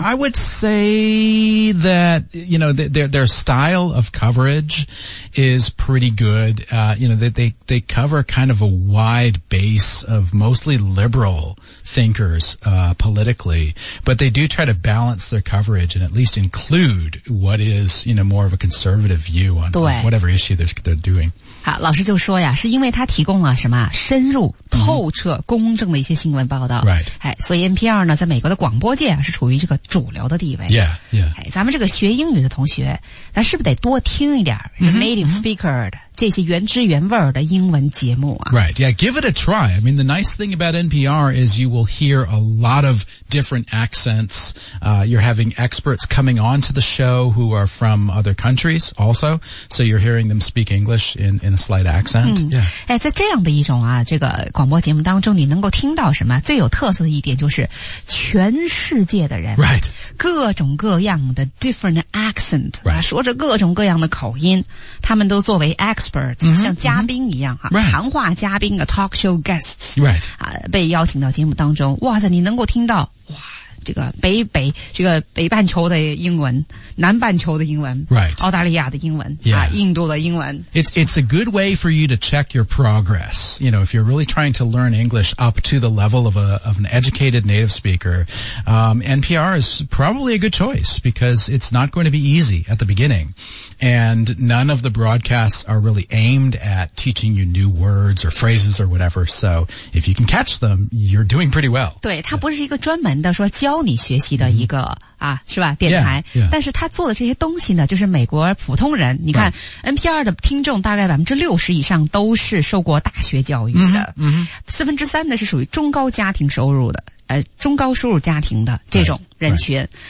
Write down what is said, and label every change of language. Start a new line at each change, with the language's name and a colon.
English: I would say that, you know, their style of coverage is pretty good. You know, they cover kind of a wide base of mostly liberal thinkers, politically, but they do try to balance their coverage and at least include what is, you know, more of a conservative view on whatever issue they're doing.
Chinese: 好，老师就说呀，是因为他提供了什么深入、透彻、公正的一些新闻报道。
English: Right.
Chinese: 哎，所以 NPR 呢，在美国的广播界啊，是处于这个主流的地位。
English: Yeah, yeah.
Chinese: 哎，咱们这个学英语的同学，咱是不是得多听一点
English: native speaker
Chinese: 的、 mm-hmm. 这些原汁原味的英文节目啊
English: ？Right. Yeah, give it a try. I mean, the nice thing about NPR is you will hear a lot of different accents. You're having experts coming onto the show who are from other countries also, so you're hearing them speak English in a slight accent.、嗯、 yeah.
Chinese: 哎，在这样的一种啊，这个广播节目当中，你能够听到什么最有特色的一点就是全世界的人
English: ，Right.
Chinese: 各种各样的
English: different accent、 right.
Chinese: 啊，说着各种各样的口音，他们都作为 experts、 mm-hmm, 像嘉宾一样哈、啊
English: right.
Chinese: 谈话嘉宾
English: talk show guests、 right.
Chinese: 啊、被邀请到节目当中哇塞你能够听到哇这个北这个北半球的英文，南半球的英文
English: ，right，
Chinese: 澳大利亚的英文、
English: yeah.
Chinese: 啊，印度的英文。
English: It's a good way for you to check your progress. You know, if you're really trying to learn English up to the level of an educated native speaker, NPR is probably a good choice because it's not going to be easy at the beginning, and none of the broadcasts are really aimed at teaching you new words or phrases or whatever. So if you can catch them, you're doing pretty well.
Chinese: 对，它不是一个专门的说教你学习的一个、mm-hmm. 啊，是吧？电台，
English: yeah, yeah.
Chinese: 但是他做的这些东西呢，就是美国普通人。你看、
English: right.
Chinese: NPR 的听众大概60%以上都是受过大学教育的， mm-hmm. 3/4呢是属于中高家庭收入的，中高收入家庭的这种人群，